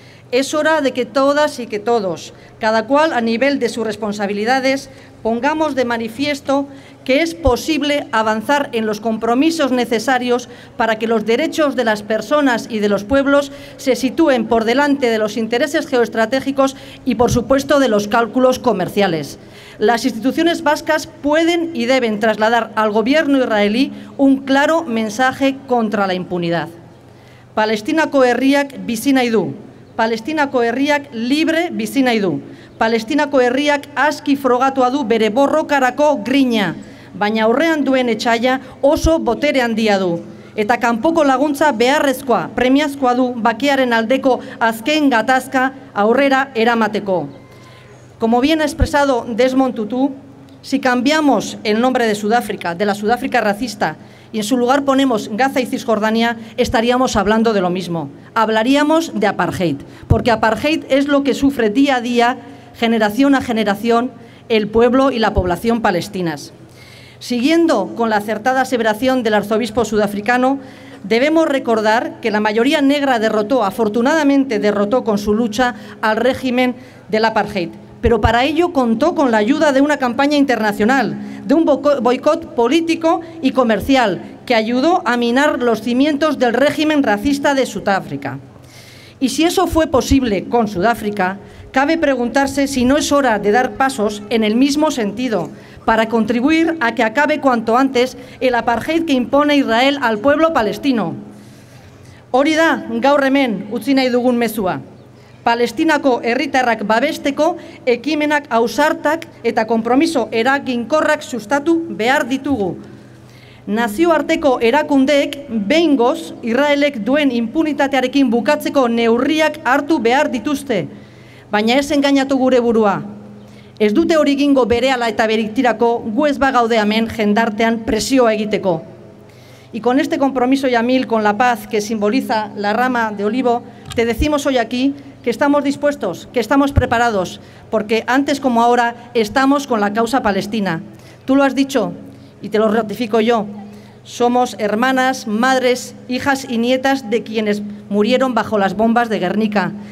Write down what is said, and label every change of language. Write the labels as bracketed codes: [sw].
[es] Es hora de que todas y que todos, cada cual a nivel de sus responsabilidades, pongamos de manifiesto que es posible avanzar en los compromisos necesarios para que los derechos de las personas y de los pueblos se sitúen por delante de los intereses geoestratégicos y, por supuesto, de los cálculos comerciales. Las instituciones vascas pueden y deben trasladar al gobierno israelí un claro mensaje contra la impunidad. [eu] Palestinako herriak bizi nahi du. Palestinako herriak libre bizi nahi du. Palestinako herriak aski frogatua du bere borrokarako grina, baina aurrean duen etxaia oso botere handia du. Eta kanpoko laguntza beharrezkoa, premiazkoa du bakearen aldeko azken gatazka aurrera eramateko. [es] Como bien ha expresado Desmond Tutu, si cambiamos el nombre de Sudáfrica, de la Sudáfrica racista, y en su lugar ponemos Gaza y Cisjordania, estaríamos hablando de lo mismo. Hablaríamos de apartheid, porque apartheid es lo que sufre día a día, generación a generación, el pueblo y la población palestinas. Siguiendo con la acertada aseveración del arzobispo sudafricano, debemos recordar que la mayoría negra derrotó, afortunadamente derrotó con su lucha al régimen del apartheid. pero para ello contó con la ayuda de una campaña internacional, de un boicot político y comercial que ayudó a minar los cimientos del régimen racista de Sudáfrica. Y si eso fue posible con Sudáfrica, cabe preguntarse si no es hora de dar pasos en el mismo sentido para contribuir a que acabe cuanto antes el apartheid que impone Israel al pueblo palestino. [eu] Hori da, gaur hemen, utzi nahi dugun mezua. Palestinako herritarrak babesteko ekimenak ausartak eta konpromiso eraginkorrak sustatu behar ditugu. Nazioarteko erakundeek behingoz Israelek duen impunitatearekin bukatzeko neurriak hartu behar dituzte. Baina ez engainatu gure burua. Ez dute hori egingo berehala eta beritirako gu ez bagaude hemen jendartean presioa egiteko. [es] Y con este compromiso, Yamil, con la paz que simboliza la rama de olivo, te decimos hoy aquí que estamos dispuestos, que estamos preparados, porque antes como ahora estamos con la causa palestina. Tú lo has dicho y te lo ratifico yo. Somos hermanas, madres, hijas y nietas de quienes murieron bajo las bombas de Guernica.